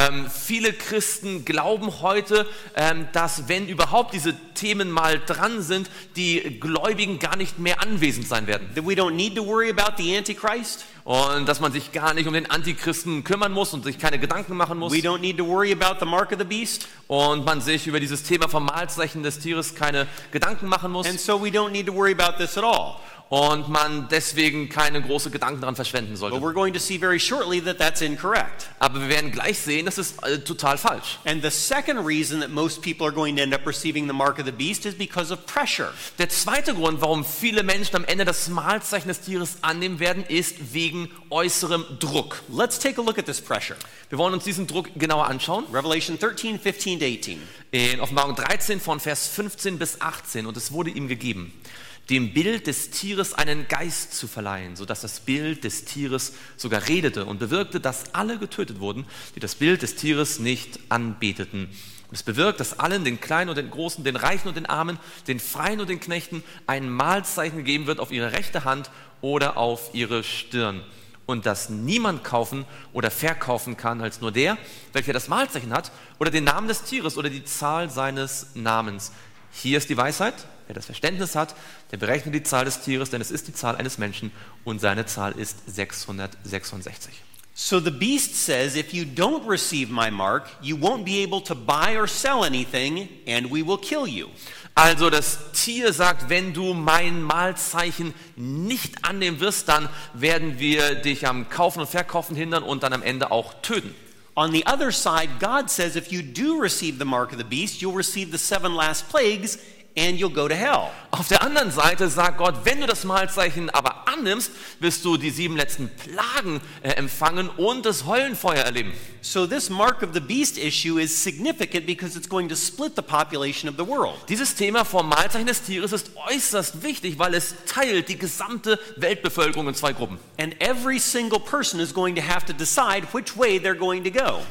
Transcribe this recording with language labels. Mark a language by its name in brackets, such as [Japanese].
[German] Viele Christen glauben heute, dass wenn überhaupt diese Themen mal dran sind, die Gläubigen gar nicht mehr anwesend sein werden. [English] That we don't need to worry about the Antichrist. [German] Und dass man sich gar nicht um den Antichristen kümmern muss und sich keine Gedanken machen muss. [English] We don't need to worry about the mark of the beast. [German] Und man sich über dieses Thema vom Malzeichen des Tieres keine Gedanken machen muss. [English] And so we don't need to worry about this at all. [German] Und man deswegen keine große Gedanken daran verschwenden sollte. [English] But we're going to see very shortly that that's incorrect. [German] Aber wir werden gleich sehen, das ist total falsch. [English] And the second reason that most people are going to end up receiving the mark of the beast is because of pressure. [German] Der zweite Grund, warum viele Menschen am Ende das Malzeichen des Tieres annehmen werden, ist wegen äußerem Druck. [English] Let's take a look at this pressure. [German] Wir wollen uns diesen Druck genauer anschauen. [English] Revelation 13, 15 to 18. [German] In Offenbarung 13 von Vers 15 bis 18. Und es wurde ihm gegeben, dem Bild des Tieres einen Geist zu verleihen, so dass das Bild des Tieres sogar redete und bewirkte, dass alle getötet wurden, die das Bild des Tieres nicht anbeteten. Und es bewirkt, dass allen, den Kleinen und den Großen, den Reichen und den Armen, den Freien und den Knechten, ein Malzeichen gegeben wird auf ihre rechte Hand oder auf ihre Stirn. Und dass niemand kaufen oder verkaufen kann, als nur der, welcher das Malzeichen hat, oder den Namen des Tieres oder die Zahl seines Namens. Hier ist die Weisheit. Wer das Verständnis hat, der berechnet die Zahl des Tieres, denn es ist die Zahl eines Menschen und seine Zahl ist 666. [English] So the beast says, if you don't receive my mark, you won't be able to buy or sell anything and we will kill you. [German] Also das Tier sagt, wenn du mein Malzeichen nicht annehmen wirst, dann werden wir dich am Kaufen und Verkaufen hindern und dann am Ende auch töten. [English] On the other side, God says, if you do receive the mark of the beast, you'll receive the 7 last plagues and you'll go to hell. [German] Auf der anderen Seite sagt Gott, wenn du das Malzeichen aber annimmst, wirst du die 7 letzten Plagen empfangen und das Höllenfeuer erleben. [English] So this mark of the beast issue is significant because it's going to split the population of the world. [German] Dieses Thema vom Malzeichen des Tieres ist äußerst wichtig, weil es teilt die gesamte Weltbevölkerung in zwei Gruppen. [English] And every single person is going to have to decide which way they're going to go.